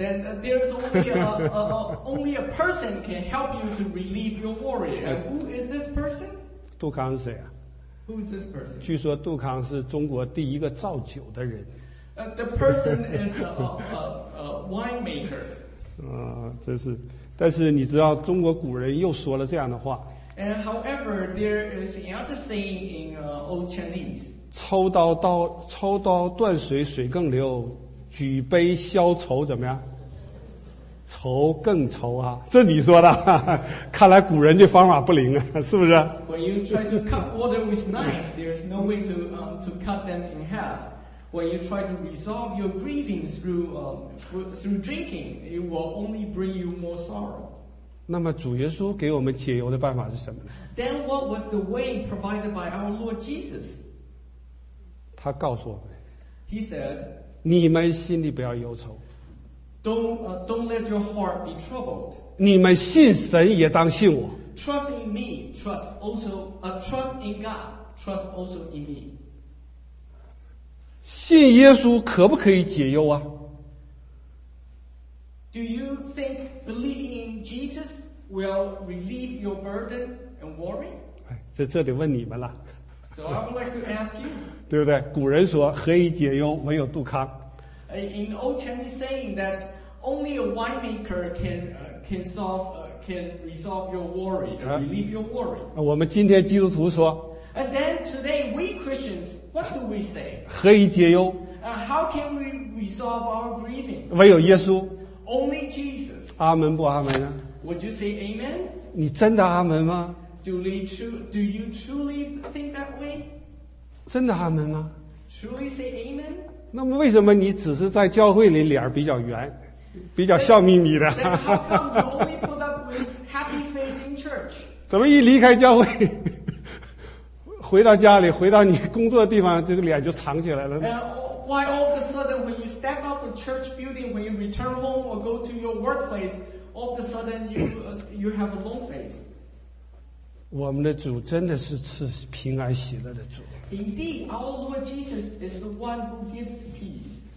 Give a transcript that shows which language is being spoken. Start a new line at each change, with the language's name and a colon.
English: ？Then there's only a person can help you to relieve your worry. And who is this person?
Chinese: 杜康是谁呀、啊、
English: ？Who is this person?
Chinese: 据说杜康是中国第一个造酒的人。
English: The person is a wine maker.
Chinese: 真是，但是你知道中国古人又说了这样的话。
English: And however, there is another saying in old Chinese.
Chinese: 抽刀断水，水更流。举杯消愁怎么样？愁更愁啊！这你说的，看来古人这方法不灵啊，是不是
English: ？When you try to cut water with knife, there's no way to cut them in half. When you try to resolve your grieving through drinking, it will only bring you more sorrow.
Chinese: 那么主耶稣给我们解忧的办法是什么
English: ？Then what was the way provided by our Lord Jesus?
Chinese: 他告诉我们。
English: He said.
Chinese: 你们心里不要忧愁。
English: Don't let your heart be troubled.
Chinese: 你们信神也当信我。
English: Trust in me, trust also, trust in God, trust also in me.
Chinese: 信耶稣可不可以解忧啊
English: ？Do you think believing in Jesus will relieve your burden and worry?
Chinese: 这这得问你们了。
English: So I would like to ask you.
Chinese: 对不对？古人说何以解忧？唯有杜康。
English: In old Chinese saying that only a winemaker can resolve your worry, relieve your worry.
Chinese: 我们今天基督徒说。
English: And then today we Christians, what do we say?
Chinese: 何以解忧？
English: How can we resolve our grieving?
Chinese: 唯有耶稣。
English: Only Jesus.
Chinese: 阿门不阿门呢？
English: Would you say Amen?
Chinese: 你真的阿门吗？
English: Do you truly think that way?
Chinese: 真的阿门吗
English: ？Truly say amen.
Chinese: 那么为什么你只是在教会里脸比较圆，比较笑眯眯的
English: ？How come you only put up with happy face in church?
Chinese: 怎么一离开教会，回到家里，回到你工作的地方，这个脸就藏起来了
English: ？Why all of a sudden when you step out the church building, when you return home or go to your workplace, all of a sudden you have a long face?
Chinese: 我们的主真的是赐平安喜乐的主。
English: Indeed, our Lord Jesus is the one who gives peace.